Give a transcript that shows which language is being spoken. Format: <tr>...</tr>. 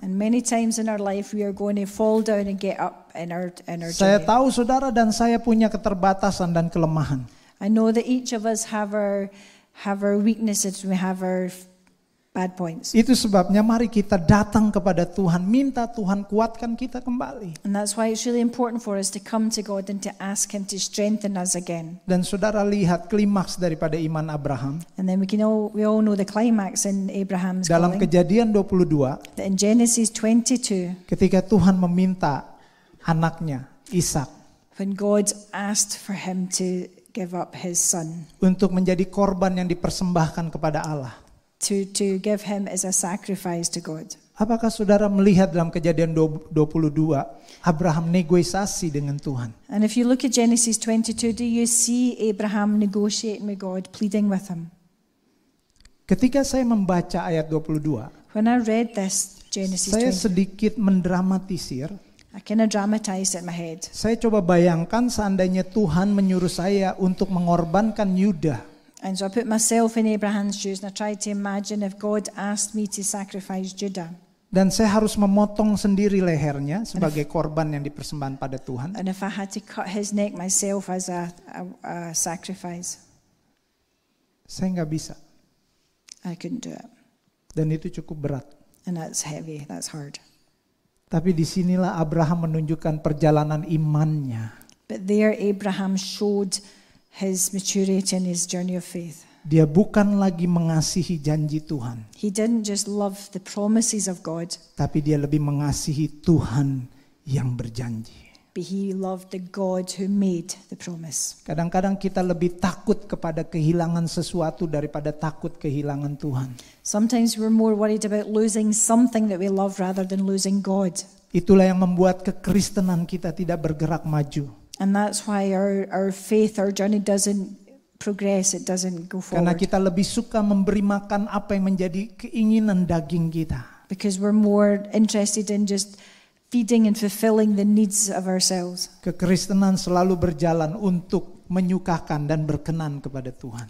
<en>And many times in our life we are going to fall down and get up in our saya journey.</en> <id>Tahu saudara dan saya punya keterbatasan dan kelemahan.</id> <en>I know that each of us have our weaknesses, we have our bad points.</en> <id>Itu sebabnya mari kita datang kepada Tuhan, minta Tuhan kuatkan kita kembali.</id> <en>And that's why it's really important for us to come to God and to ask Him to strengthen us again.</en> <id>Dan saudara lihat klimaks daripada iman Abraham.</id> <en>And then we all know the climax in Abraham's</en> <id>calling. Dalam kejadian 22.</id> <en>In Genesis 22.</en> <id>Ketika Tuhan meminta anaknya, Ishak.</id> <en>When God asked for him to give up his son.</en> <id>Untuk menjadi korban yang dipersembahkan kepada Allah.</id> <en>To give him as a sacrifice to God.</en> <id>Apakah saudara melihat dalam kejadian 22 Abraham negosiasi dengan Tuhan?</id> <en>And if you look at Genesis 22, do you see Abraham negotiating with God, pleading with him?</en> <id>Ketika saya membaca ayat 22,</id> <en>when I read this Genesis 22,</en> <id>saya sedikit mendramatisir.</id> <en>I kind of dramatized it in my head.</en> <id>Saya coba bayangkan seandainya Tuhan menyuruh saya untuk mengorbankan Yuda.</id> <en>And so I put myself in Abraham's shoes and I tried to imagine if God asked me to sacrifice Judah.</en> <id>Dan saya harus memotong sendiri lehernya sebagai korban yang dipersembahkan pada Tuhan.</id> <en>And if I had to cut his neck myself as a sacrifice.</en> <id>Saya enggak bisa.</id> <en>I couldn't do it.</en> <id>Dan itu cukup berat.</id> <en>And that's heavy, that's hard.</en> <id>Tapi disinilah Abraham menunjukkan perjalanan imannya.</id> <en>But there Abraham showed his maturity and his journey of faith.</en> <id>Dia bukan lagi mengasihi janji Tuhan.</id> <en>He didn't just love the promises of God.</en> <id>Tapi dia lebih mengasihi Tuhan yang berjanji.</id> <en>But he loved the God who made the promise.</en> <id>Kadang-kadang kita lebih takut kepada kehilangan sesuatu daripada takut kehilangan Tuhan.</id> <en>Sometimes we're more worried about losing something that we love rather than losing God.</en> <id>Itulah yang membuat kekristenan kita tidak bergerak maju.</id> <en>And that's why our faith, our journey doesn't progress, it doesn't go forward.</en> <id>Karena kita lebih suka memberi makan apa yang menjadi keinginan daging kita.</id> <en>Because we're more interested in just feeding and fulfilling the needs of ourselves.</en> <id>Kekristenan selalu berjalan untuk menyukakan dan berkenan kepada Tuhan.</id>